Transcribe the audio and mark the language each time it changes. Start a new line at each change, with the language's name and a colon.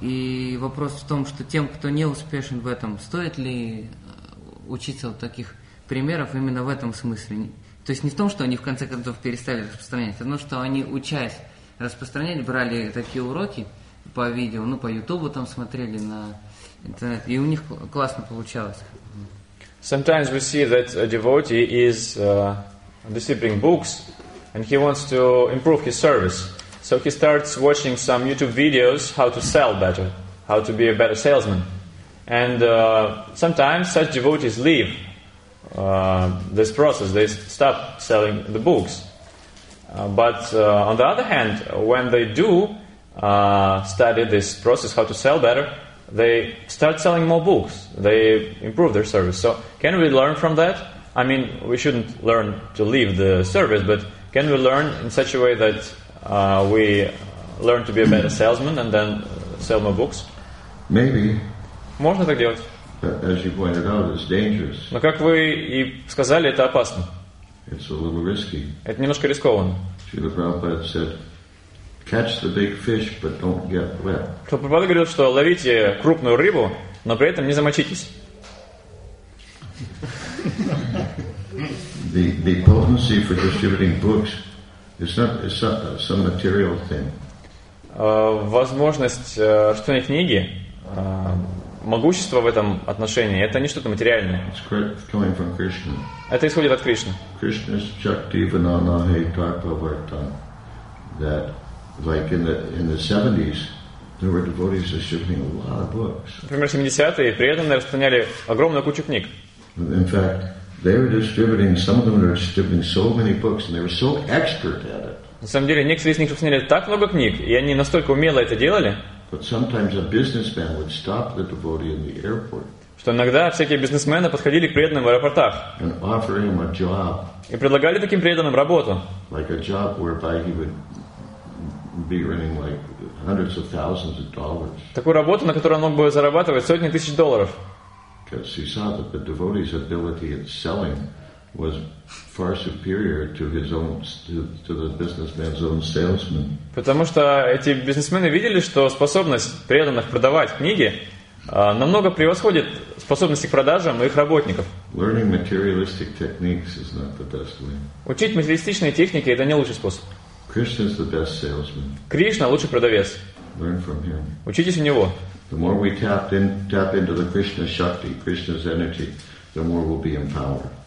Russian: И вопрос в том, что тем, кто не успешен в этом, стоит ли учиться вот таких примеров именно в этом смысле? То есть не в том, что они в конце концов перестали распространять, а в том, что они, учась распространять, брали такие уроки по видео, по Ютубу там смотрели на интернет, и у них классно получалось.
English: Sometimes we see that a devotee is distributing books and he wants to improve his service. So he starts watching some YouTube videos how to sell better, how to be a better salesman. And sometimes such devotees leave this process. They stop selling the books. But on the other hand, when they do study this process how to sell better, they start selling more books. They improve their service. So can we learn from that? I mean, we shouldn't learn to leave the service, but can we learn in such a way that we learn to be a better salesman and then sell more books? Maybe.
Russian: Можно так делать.
English: But as you pointed out, it's dangerous.
Russian: Но как вы и сказали, это опасно.
English: It's a little risky.
Russian: Это немножко рискованно.
English: Srila Prabhupada said, catch the big fish, but don't get wet.
Russian: Прабхупада говорил, что ловите крупную рыбу, но при этом не замочитесь.
English: The potency for distributing books, It's not some material thing.
Russian: Возможность распространения книги, могущество в этом отношении, это не что-то материальное.
English: It's coming from Krishna.
Russian: Это исходит от Кришны. Krishna's chakti vanana hai tarpa vartan.
English: That, like in the 70s, there were devotees distributing a lot of books.
Russian: Например, 70-е преданные распространяли огромную кучу книг.
English: In fact, they were distributing, some of them were distributing so many books, and they were so expert at it.
Russian: На самом деле, некоторые из них распространяли так много книг, и они настолько умело это делали.
English: But sometimes a businessman would stop the devotee in the airport.
Russian: Что иногда всякие бизнесмены подходили к преданным в аэропортах.
English: And offer him a job.
Russian: И предлагали таким преданным работу.
English: Like a job whereby he would be earning like hundreds of thousands of dollars.
Russian: Такую работу, на которой он мог бы зарабатывать сотни тысяч долларов.
English: Because he saw that the devotee's ability at selling was far superior to his own, to the businessman's own salesman.
Russian: Потому что эти бизнесмены видели, что способность преданных продавать книги намного превосходит способности к продажам их работников.
English: Learning materialistic techniques is not the best way.
Russian: Учить материалистичные техники — это не лучший способ.
English: Krishna is the best salesman.
Russian: Кришна — лучший продавец.
English: Learn from him.
Russian: Учитесь у него.
English: The more we tap into the Krishna Shakti, Krishna's energy, the more we'll be empowered.